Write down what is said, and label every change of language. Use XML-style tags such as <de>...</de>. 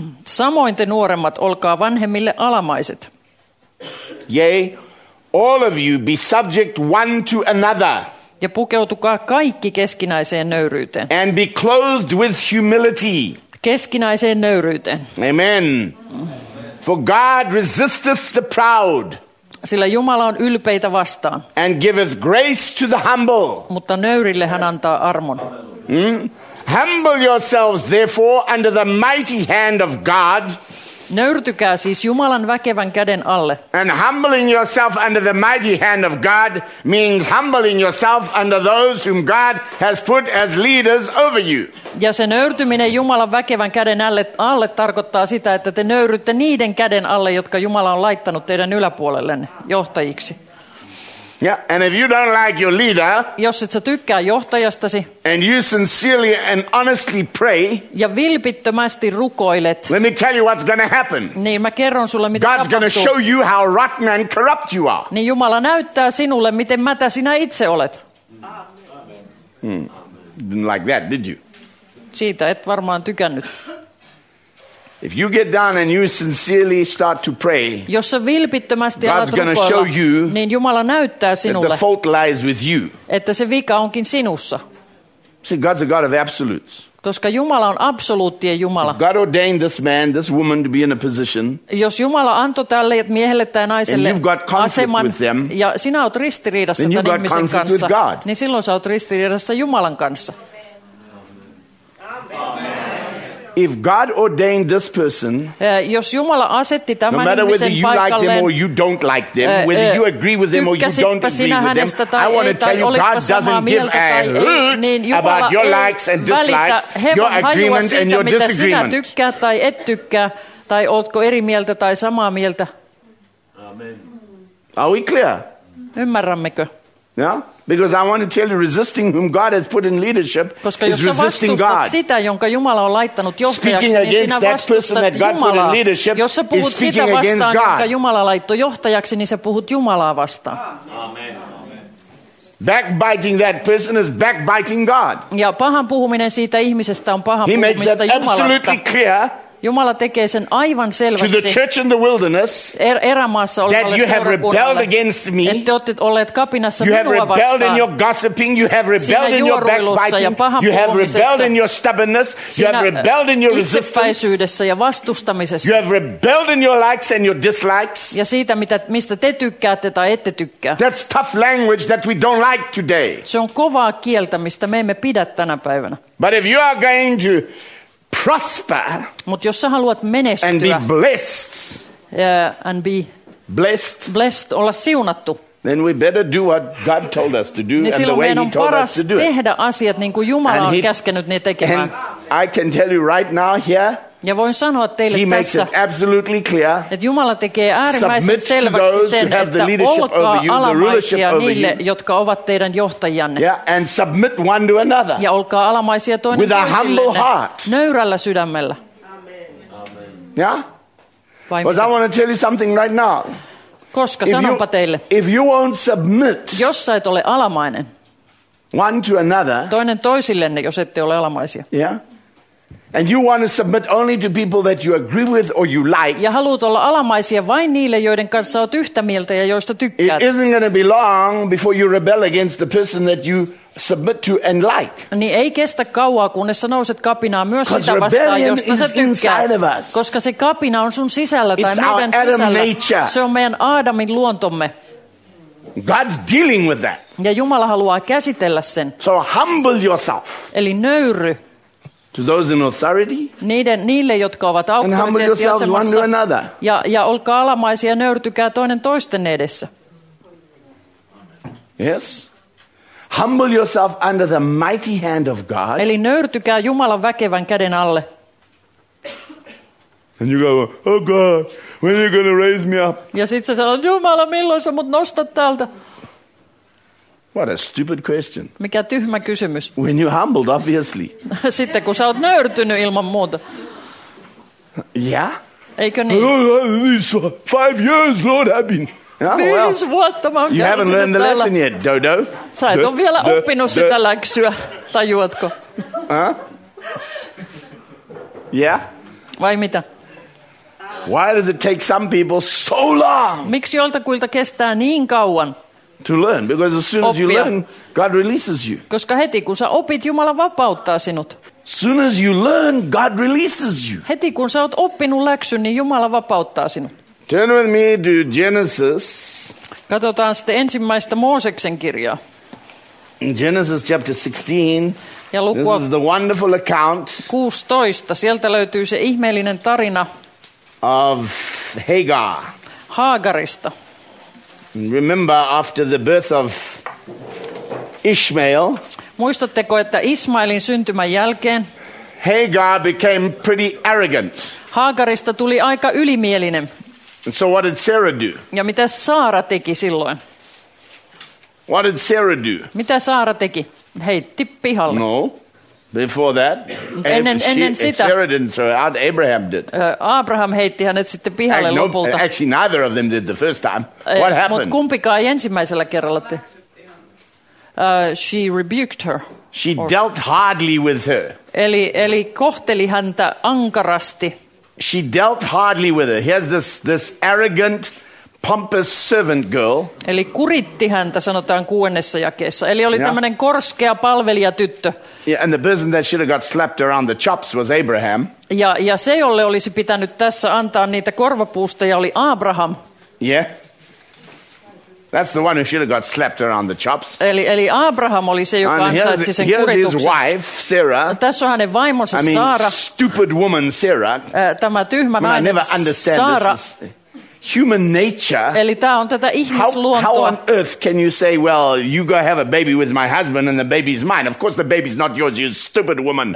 <fi>Samoin te nuoremmat, olkaa vanhemmille alamaiset.</fi> <en>Yea, all of you be subject one to another.</en> <fi>Ja pukeutukaa kaikki keskinäiseen nöyryyteen.</fi> <en>And be clothed with humility.</en> <fi>Keskinäiseen nöyryyteen.</fi> <en>Amen. For God resisteth the proud.</en> <fi>Sillä Jumala on ylpeitä vastaan.</fi> <en>And giveth grace to the humble.</en> <fi>Mutta nöyrille hän antaa armon.</fi> <en>Humble yourselves therefore under the mighty hand of God.</en> <fi>Nöyrtykää siis Jumalan väkevän käden alle.</fi> <en>And humbling yourself under the mighty hand of God means humbling yourself under those whom God has put as leaders over you.</en> <fi>Ja se nöyrtyminen Jumalan väkevän käden alle tarkoittaa sitä, että te nöyrytte niiden käden alle, jotka Jumala on laittanut teidän yläpuolellen johtajiksi.</fi> <en>Yeah, and if you don't like your leader,</en> <fi>jos et sä tykkää johtajastasi,</fi> <en>and you sincerely and honestly pray,</en> <fi>ja vilpittömästi rukoilet,</fi> <en>let me tell you what's going to happen.</en> <fi>Niin mä kerron sulle, mitä</fi> <en>God's going to show you how rotten and corrupt you are.</en> <fi>Niin Jumala näyttää sinulle, miten mätä sinä itse olet.</fi> <en>Amen. Didn't like that, did you?</en> <fi>Siitä et varmaan tykännyt.</fi> <en>If you get down and you sincerely start to pray,</en> <fi>jos sä vilpittömästi alat rukoilla,</fi> <en>God's going to show you,</en> <fi>niin Jumala näyttää sinulle,</fi> <en>that the fault lies with you.</en> <fi>Että se vika onkin sinussa.</fi> <en>See, God's a God of absolutes.</en> <fi>Koska Jumala on absoluuttien Jumala.</fi> <en>If God ordained this man, this woman to be in a position,</en> <fi>jos Jumala antoi tälle miehelle tai naiselle aseman,</fi> <en>them,</en> <fi>ja sinä oot ristiriidassa</fi> <en>then</en> <fi>tämän ihmisen kanssa,</fi> <en>with God.</en> <fi>Niin silloin sä oot ristiriidassa Jumalan kanssa.</fi> <en>Amen. If God ordained this person,</en> <fi>jos Jumala asetti tämän</fi> <en>no matter whether you like them or you don't like them, whether you agree with them or you don't agree with them, I want to tell you God doesn't give a hoot</en> <fi>niin</fi> <en>about your likes and dislikes, your agreement</en> <fi>siitä,</fi> <en>and your disagreement.</en> <fi>Sinä tykkää tai et tykkää, tai ootko eri mieltä tai samaa mieltä.</fi> <en>Amen. Are we clear?</en> <fi>Ymmärrämmekö?</fi> <en>Yeah? Because I want to tell you, resisting whom God has put in leadership</en> <fi>koska</fi> <en>is resisting God.</en> <fi>Sitä, jonka Jumala on laittanut johtajaksi,</fi> <en>speaking against</en> <fi>niin sinä</fi> <en>that person that God</en> <fi>Jumalaa.</fi> <en>Put in leadership</en> <fi>jos sä puhut</fi> <en>is speaking</en> <fi>sitä</fi> <en>against</en> <fi>vastaan,</fi> <en>God.</en> <fi>Jonka Jumala laittoi johtajaksi, niin sä puhut Jumalaa vastaan.</fi> <en>Amen. Backbiting that person is backbiting God.</en> <fi>Ja pahan puhuminen siitä ihmisestä on pahan puhumista Jumalasta.</fi> <en>He makes that absolutely clear.</en> <fi>Jumala tekee sen aivan selväksi.</fi> <en>To the church in the wilderness,</en> <fi>erämaassa</fi> <en>that you have rebelled against me.</en> <fi>Ette olleet olleet kapinassa minua vastaan.</fi> <en>You have rebelled in your gossiping, you have rebelled in your backbiting, you have rebelled in your stubbornness, you have rebelled in your resistance.</en> <fi>Ja vastustamisessa.</fi> <en>You have rebelled in your likes and your dislikes.</en> <fi>Ja siitä mitä mistä te tykkäätte tai ette tykkää.</fi> <en>That's tough language that we don't like today.</en> <fi>Se on kovaa kieltä mistä me emme pidä tänä päivänä.</fi> <en>But if you are going to prosper.</en> <fi>Mut jos sä haluat menestyä.</fi> <en>And be blessed. And be blessed.</en> <fi>Blessed, olla siunattu.</fi> <en>Then we better do what God told us to do</en> <fi>niin</fi> <en>and the way he told us to do it.</en> <fi>Silloin meidän on paras tehdä asiat niin kuin Jumala on käskenyt ne tekemään.</fi> <en>And I can tell you right now here.</en> <fi>Ja voin sanoa teille</fi> <en>he</en> <fi>tässä.</fi> <en>He makes it absolutely clear.</en> <fi>Että Jumala tekee äärimmäisen selväksi sen, että olkaa alamaisia niille, jotka ovat teidän johtajanne.</fi> <en>Yeah, and submit one to another.</en> <fi>Ja olkaa alamaisia toinen</fi> <en>with a humble heart.</en> <fi>Nöyrällä sydämellä.</fi> <en>Amen. Yeah? Because I want to tell you something right now.</en> <fi>Koska sanonpa teille.</fi> <en>If you won't submit.</en> <fi>Jos sä et ole alamainen.</fi> <en>One to another.</en> <fi>Toinen toisillenne, jos ette ole alamaisia.</fi> <en>Yeah? And you want to submit only to people that you agree with or you like.</en> <fi>Ja haluat olla alamaisia vain niille, joiden kanssa olet yhtä mieltä ja joista tykkäät.</fi> <en>It isn't going to be long before you rebel against the person that you submit to and like.</en> <fi>Niin ei kestä kauaa, kunnes sä nouset kapinaa myös sitä vastaan, josta sä tykkäät. Koska se kapina on sun sisällä tai</fi> <en>it's</en> <fi>meidän</fi> <en>our Adam</en> <fi>sisällä.</fi> <en>Nature.</en> <fi>Se on meidän Aadamin luontomme.</fi> <en>God's dealing with that.</en> <fi>Ja Jumala haluaa käsitellä sen.</fi> <en>So humble yourself.</en> <fi>Eli nöyry.</fi> <en>To those in authority,</en> <fi>niille, jotka ovat</fi> <en>and humble yourselves one to another.</en> <fi>Ja olkaa alamaisia, nöyrtykää toinen toisten edessä.</fi> <en>Yes. Humble yourself under the mighty hand of God.</en> <fi>Eli nöyrtykää Jumalan väkevän käden alle.</fi> <en>And you go, oh God, when are you going to raise me up?</en> <fi>Ja sit sä sanot, Jumala, milloin sä mut nostat täältä?</fi> <en>What a stupid question.</en> <fi>Mikä tyhmä kysymys.</fi> <en>When you humbled, obviously.</en> <fi>Sitten kun sä oot nöyrtynyt ilman muuta.</fi> <en>Yeah?</en> <fi>Eikö niin?</fi> <en>These 5 years, Lord, have been.</en> <fi>Viisi vuotta mä oon</fi> <en>you haven't learned the lesson yet, Dodo.</en> <fi>Sä et ole vielä oppinut sitä läksyä, tajuatko?</fi> <en>Yeah?</en> <fi>Vai mitä?</fi> <en>Why does it take some people so long?</en> <fi>Miksi joltakuilta kestää niin kauan?</fi> <en>To learn, because as soon as you learn, God releases you.</en> <fi>Koska heti kun sä opit, Jumala vapauttaa sinut.</fi> <en>Soon as you learn, God releases you.</en> <fi>Heti kun sä oot oppinut läksyn, niin Jumala vapauttaa sinut.</fi> <en>Turn with me to Genesis.</en> <fi>Katsotaan sitten ensimmäistä Mooseksen kirjaa.</fi> <en>In Genesis chapter 16.</en> <fi>Ja luku</fi> <en>this is the wonderful account.</en> <fi>16. Sieltä löytyy se ihmeellinen tarina.</fi> <en>Of Hagar.</en> <fi>Hagarista.</fi> <en>Remember after the birth of Ishmael.</en> <fi>Muistatteko, että Ismailin syntymän jälkeen</fi> <en>Hagar became pretty arrogant.</en> <fi>Hagarista tuli aika ylimielinen.</fi> <en>And so what did Sarah do?</en> <fi>Ja mitä Saara teki silloin?</fi> <en>What did Sarah do?</en> <fi>Mitä Saara teki? Heitti pihalle.</fi> <en>No. Before that,</en> <fi>ennen sitä,</fi> <en>Sarah didn't throw out, Abraham did.</en> <fi>Abraham heitti hänet sitten pihalle lopulta.</fi> <en>Actually, neither of them did the first time. What happened?</en> <fi>Mut kumpikaan ei ensimmäisellä kerralla.</fi> <en>She rebuked her. She dealt hardly with her.</en> <fi>Eli kohteli häntä ankarasti.</fi> <en>She dealt hardly with her. Here's this arrogant, pompous servant girl.</en> <fi>Eli kuritti häntä, sanotaan kuudennessa jakeessa. Eli oli tämmöinen korskea palvelijatyttö.</fi> <en>Yeah, and the person that should have got slapped around the chops was Abraham.</en> <fi>Ja se, jolle olisi pitänyt tässä antaa niitä korvapuusteja, oli Abraham.</fi> <en>Yeah. That's the one who should have got slapped around the chops.</en> <fi>Eli Abraham oli se, joka ansaitsi sen kurituksen.</fi> <en>And here's his wife, Sarah.</en> <fi>Tässä on hänen vaimonsa, Saara.</fi> <en>I mean,</en> <fi>Saara.</fi> <en>Stupid woman, Sarah.</en> <fi>Tämä tyhmä nainen, Saara.</fi> <en>I never understand</en> <fi>Saara.</fi> <en>This. Is human nature.</en> <fi>Eli tämä on tätä ihmisluontoa.</fi> <en>How on earth can you say, well, you go have a baby with my husband and the baby's mine. Of course the baby's not yours, you stupid woman.</en>